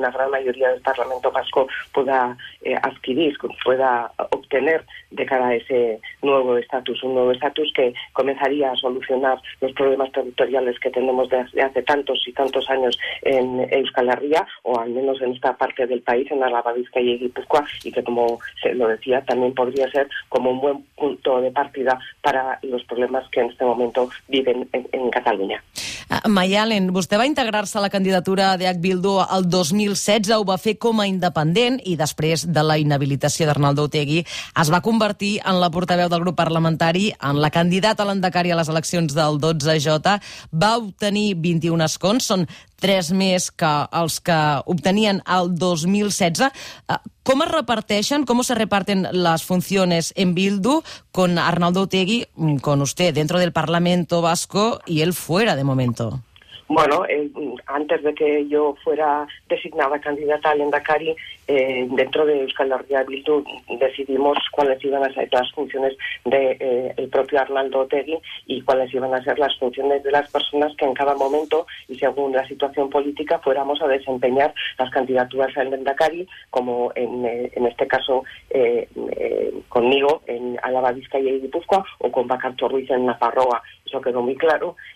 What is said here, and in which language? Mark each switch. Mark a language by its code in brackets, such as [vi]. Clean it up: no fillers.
[es] mayoría del Parlamento Vasco pueda adquirir, pueda obtener de cara a ese nuevo estatus, un nuevo estatus que comenzaría a solucionar los problemas territoriales que tenemos desde hace tantos y tantos años en Euskal Herria, o al menos en esta parte del país, en Álava, Bizkaia y Gipuzkoa, y que, como se lo decía, también podría ser como un buen punto de partida para los problemas que en este momento viven en Cataluña. [ca] Maialen, vostè va integrar-se a la candidatura de H. Bildu el 2016, ho va fer com a independent i després de la inhabilitació d'Arnaldo Otegi es va convertir en la portaveu del grup parlamentari, en la candidata a l'endecari a les eleccions del 12J, va obtenir 21 escons, són 3 més que els que obtenien el 2016. Com es reparteixen, [es] com se reparten les funcions en Bildu con Arnaldo Otegi, con usted, dentro del Parlamento Vasco y él fuera de momento? Bueno, antes de que yo fuera designada candidata al Lehendakari, dentro de Euskal Herria Bildu decidimos cuáles iban a ser las funciones de el propio Arnaldo Otegi y cuáles iban a ser las funciones de las personas que en cada momento y según la situación política fuéramos a desempeñar las candidaturas al Lehendakari, como en este caso conmigo en Álava, Bizkaia y Gipuzkoa, o con Bakartxo Ruiz en Nafarroa. Eso quedó muy claro.